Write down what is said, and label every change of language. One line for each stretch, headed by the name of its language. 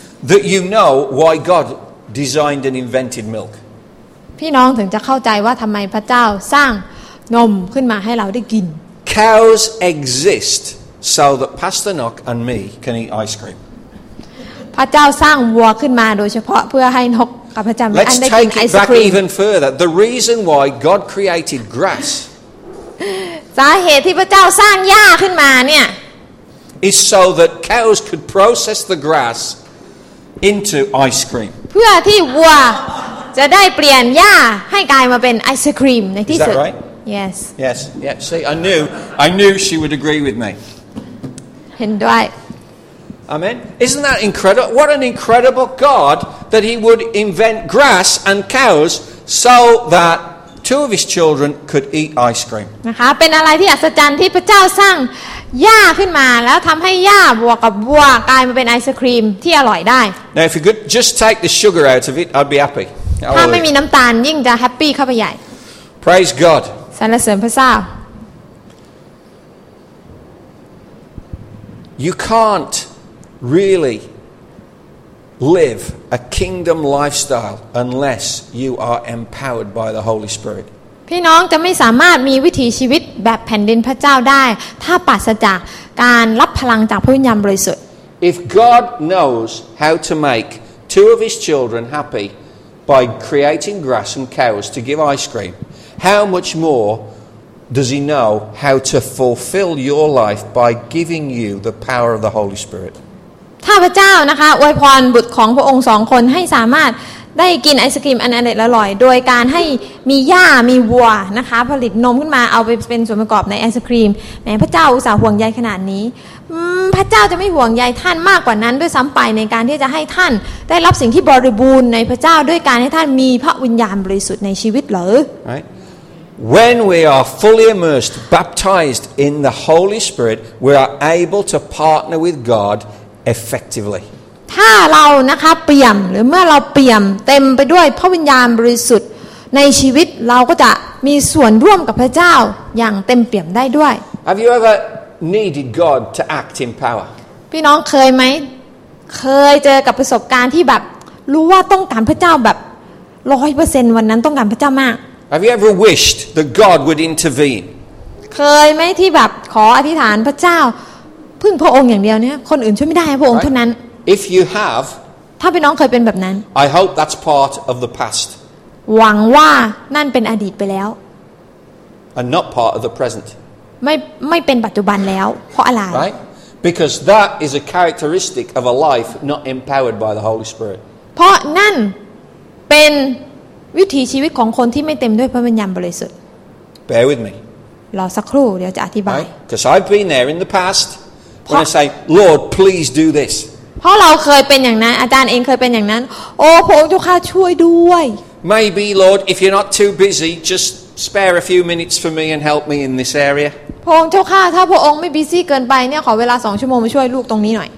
English: That you know why God designed and invented milk.
Thai: พี่น้องถึงจะเข้าใจว่าทำไมพระเจ้าสร้างนมขึ้นมาให้เราได้กิน
English: Cows exist so that Pasternak and me can eat ice cream.
Thai: พระเจ้าสร้างวัวขึ้นมาโดยเฉพาะเพื่อให้นกกับพระเจ้าได้กินไอศกรีม
English: Let's take it back even further. The reason why God created grass.
Thai: สาเหตุที่พระเจ้าสร้างหญ้าขึ้นมาเนี่ย
English: is so that cows could process the grass. Into ice cream.
Thai: เพื่อที่วัวจะได้เปลี่ยนหญ้าให้กลายมาเป็นไอศกรีมในที่สุด
English: Is that right? Yes. Yes. Yeah. See, I knew she would agree with me.
Thai: เห็นด้วย
English: Amen. Isn't that incredible? What an incredible God that He would invent grass and cows so that two of His children could eat ice cream.
Thai: นะคะเป็นอะไรที่อัศจรรย์ที่พระเจ้าสร้างหญ้าขึ้นมาแล้วทำให้หญ้าบวกกับวัวกลายมาเป็นไอศกรีมที่อร่อยได้
English: Now if you could just take the sugar out of it, I'd be happy.
Thai: ถ้าไม่มีน้ำตาลยิ่งจะแฮปปี้เข้าไปใหญ่
English: Praise God.
Thai: สรรเสริญพระเจ้า
English: You can't really live a kingdom lifestyle unless you are empowered by the Holy Spirit.
Thai: พี่น้องจะไม่สามารถมีวิถีชีวิตแบบแผ่นดินพระเจ้าได้ถ้าปราศจากการรับพลังจากพระวิญญาณบริสุทธิ์
English: If God knows how to make two of His children happy by creating grass and cows to give ice cream, how much more does He know how to fulfill your life by giving you the power of the Holy Spirit?
Thai: ถ้าพระเจ้านะคะอวยพรบุตรของพระองค์สองคนให้สามารถได้กินไอศกรีมอันอร่อยโดยการให้มีหญ้ามีวัวนะคะผลิตนมขึ้นมาเอาไปเป็นส่วนประกอบในไอศกรีมแม้พระเจ้าอุตส่าห์ห่วงใยขนาดนี้พระเจ้าจะไม่ห่วงใยท่านมากกว่านั้นด้วยซ้ำไปในการที่จะให้ท่านได้รับสิ่งที่บริบูรณ์ในพระเจ้าด้วยการให้ท่านมีพระวิญญาณบริสุทธิ์ในชีวิตเหรอ
English: Right When we are fully immersed baptized in the Holy Spirit we are able to partner with God effectively
Thai: ถ้าเรานะคะเปี่ยมหรือเมื่อเราเปี่ยมเต็มไปด้วยพระวิญญาณบริสุทธิ์ในชีวิตเราก็จะมีส่วนร่วมกับพระเจ้าอย่างเต็มเปี่ยมได้ด้วย
English: Have you ever needed God to act in power?
Thai: พี่น้องเคยไหมเคยเจอกับประสบการณ์ที่แบบรู้ว่าต้องการพระเจ้าแบบ 100% วันนั้นต้องการพระเจ้ามาก
English: Have you ever wished that God would intervene?
Thai: เคยไหมที่แบบขออธิษฐานพระเจ้าเึ่งพระองค์อย่างเดียวเนี่ยคนอื่นช่วยไม่ได้พระองค์เท่านั้น
English: If you have
Thai: ถ้าพี่น้องเคยเป็นแบบนั้น
English: I hope that's part of the past
Thai: หวังว่านั่นเป็นอดีตไปแล้ว
English: and not part of the present
Thai: ไม่เป็นปัจจุบันแล้วเพราะอะไร
English: Right because that is a characteristic of a life not empowered by the Holy Spirit
Thai: เพราะนั่นเป็นวิถีชีวิตของคนที่ไม่เต็มด้วยพระวิญญาณบริสุทธิ์
English: Bear with me
Thai: รอสักครู่เดี๋ยวจะอธิบาย
English: right? Because I've been there in the past when I say Lord please do this
Thai: เพราะเราเคยเป็นอย่างนั้นอาจารย์เองเคยเป็นอย่างนั้นโอ้พระองค์เจ้าข้าช่วยด้วย
English: Maybe Lord if you're not too busy just spare a few minutes for me and help me in this area
Thai: พระองค์เจ้าข้าถ้าพระองค์ไม่บิซี่เกินไปเนี่ยขอเวลา2ชั่วโมงมาช่วยลูกตรงนี้หน่อย